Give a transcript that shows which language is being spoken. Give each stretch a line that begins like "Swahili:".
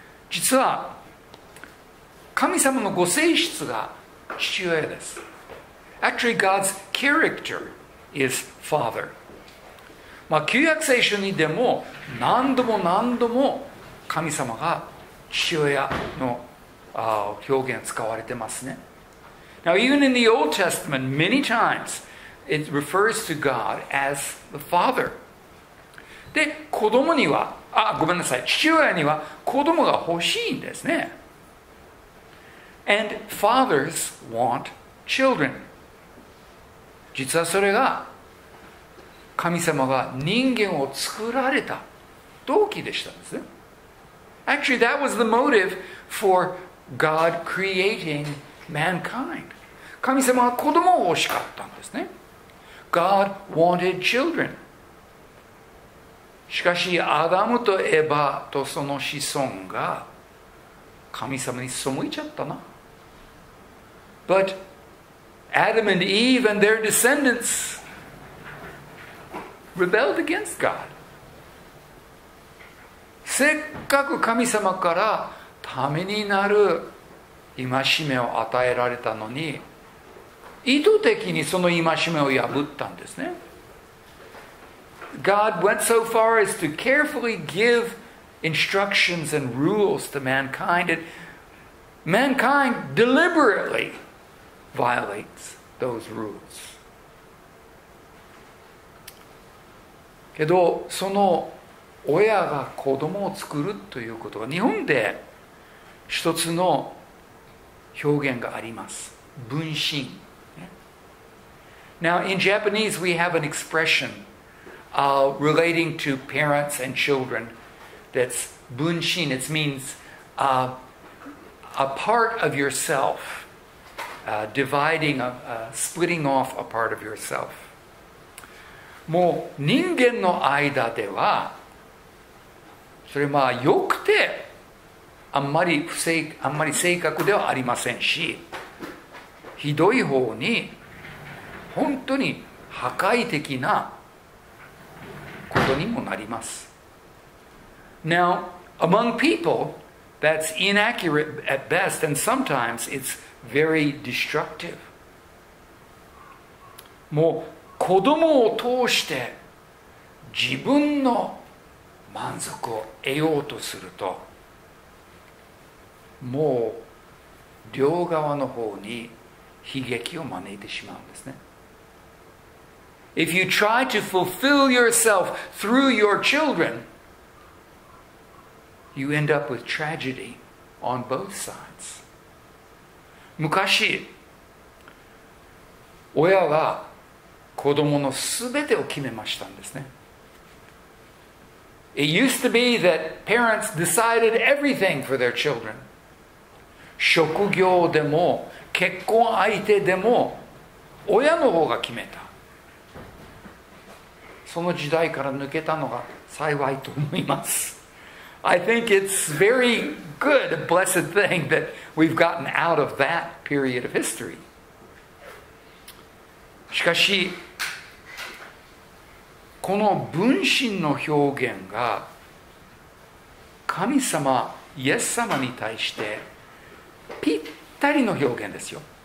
Japanese: 実は神様のご性質が父親です。
English: Actually, God's character is father.
Japanese: まあ、旧約聖書にでも何度も何度も神様が父親の表現使われてますね。
English: Now, even in the Old Testament, many times it refers to God as the father.
Japanese: で、子供には、あ、ごめんなさい、父親には子供が欲しいんですね。
English: And fathers want children.
Japanese: 実はそれが神様が人間を作られた動機でしたんですね。
English: Actually, that was the motive for God creating mankind.
Japanese: 神様は子供を欲しかったんですね。
English: God wanted children.
Japanese: しかし、アダムとエバとその子孫が神様に背いちゃったな。
English: ButAdam and Eve and their descendants rebelled against God.
Japanese: せっかく神様からためになる戒めを与えられたのに、意図的にその戒めを破ったんですね。
English: God went so far as to carefully give instructions and rules to mankind, and mankind deliberately violates. Those rules.
Japanese: けどその親が子供を作るということは日本で一つの表現があります。分身。
English: Now in Japanese we have an expression relating to parents and children that's 分身. It means a part of yourself. Splitting off a part of yourself.
Japanese: もう人間の間ではそれまあよくてあんまり正確ではありませんし、ひどい方に本当に破壊的なことにもなります。
English: Now, among people, that's inaccurate at best, and sometimes it'sVery destructive.
Japanese: もう子供を通して自分の満足を得ようとすると、もう両側の方に悲劇を招いてしまうんですね。
English: If you try to fulfill yourself through your children, you end up with tragedy on both sides.
Japanese: 昔、親が子供のすべてを決めましたんですね。
English: It used to be that parents decided everything for their children.
Japanese: 職業でも結婚相手でも親の方が決めた。その時代から抜けたのが幸いと思います。
English: I think it's very good, a blessed thing that we've gotten out of that period of history.
Japanese: しかし、この分身の表現が神様、イエス様に対してぴったりの表現ですよ。